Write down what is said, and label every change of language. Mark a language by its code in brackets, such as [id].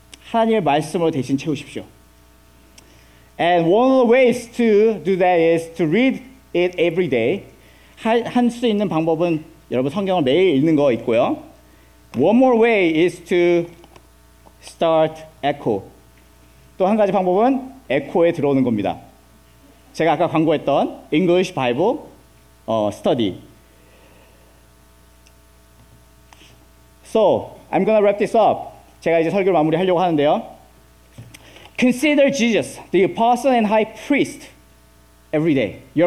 [ko] 하나님의 말씀으로 대신 채우십시오. [en] And one of the ways to do that is to read it every day. [ko] 할 수 있는 방법은 여러분 성경을 매일 읽는 거 있고요. [en] One more way is to start Echo. [ko] 또 한 가지 방법은 Echo에 들어오는 겁니다. 제가 아까 광고했던 English Bible Study. [en] So, I'm gonna wrap this up. [ko] 제가 이제 설교를 마무리하려고 하는데요. [en] Consider Jesus, the apostle and high priest every day.